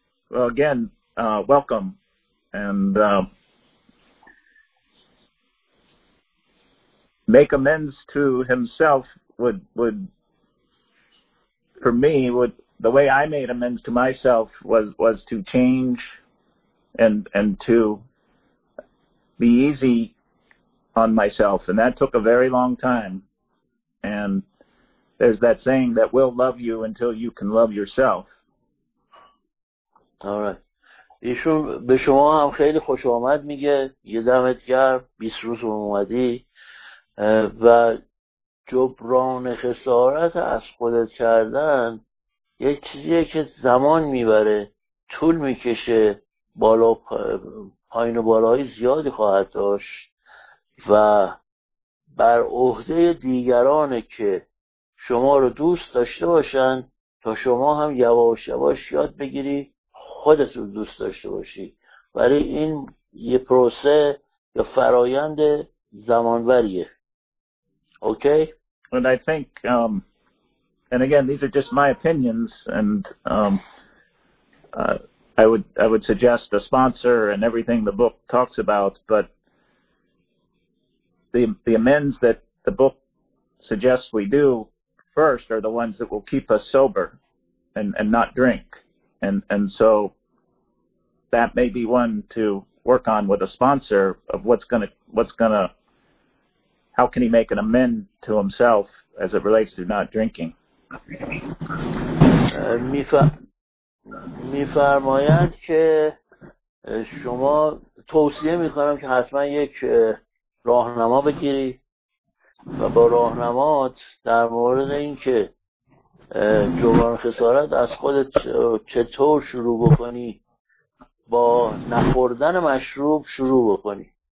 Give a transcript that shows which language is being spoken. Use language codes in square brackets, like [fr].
[en] Well, again, welcome, and make amends to himself would for me would the way I made amends to myself was to change and to be easy on myself, and that took a very long time. And there's that saying that we'll love you until you can love yourself. All right. [fa] ایشون به شما هم خیلی خوش آمد میگه. یه دمت گرم. 20 روز اومدی و جبران خسارت از خودت کردن یک چیزیه که زمان میبره، طول میکشه، بالا پایین و بالای زیادی خواهد داشت و بر عهده دیگرانه که شما رو دوست داشته باشن تا شما هم یواش یواش یاد بگیری خودت رو دوست داشته باشی، ولی این یه پروسه یا فرایند زمانبریه. [en] Okay. And I think, and again, these are just my opinions, and I would suggest a sponsor and everything the book talks about. But the amends that the book suggests we do first are the ones that will keep us sober and not drink, and so that may be one to work on with a sponsor of what's gonna. How can he make an amend to himself as it relates to not drinking? [fa] می‌فرماید که شما توصیه می‌کنم که حتما یک راهنما بگیری و با راهنمات در مورد اینکه جبران خسارت از خودت چطور شروع بکنی با نخوردن مشروب شروع بکنی.